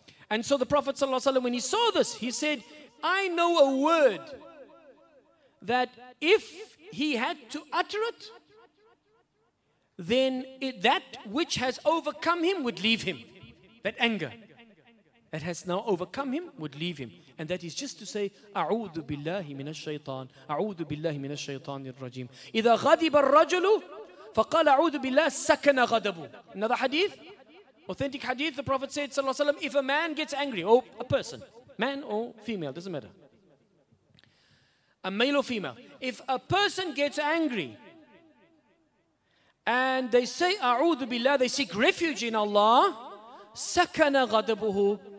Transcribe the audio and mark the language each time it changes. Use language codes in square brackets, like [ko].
[en] And so the Prophet ﷺ, when he saw this, he said, I know a word that if he had to utter it, then that which has overcome him would leave him. That anger that has now overcome him would leave him. And that is just to say, [ar] أعوذ بالله من الشيطان, أعوذ بالله من الشيطان الرجيم. إذا غضب الرجل فقال أعوذ بالله سكن غضبه. [en] Another hadith. Authentic hadith, the Prophet said, sallallahu alayhi wa sallam, if a man gets angry, or a person, man or female, doesn't matter, a male or female, if a person gets angry and they say, A'udhu billah, they seek refuge in Allah, [ar] sakana ghadabuhu.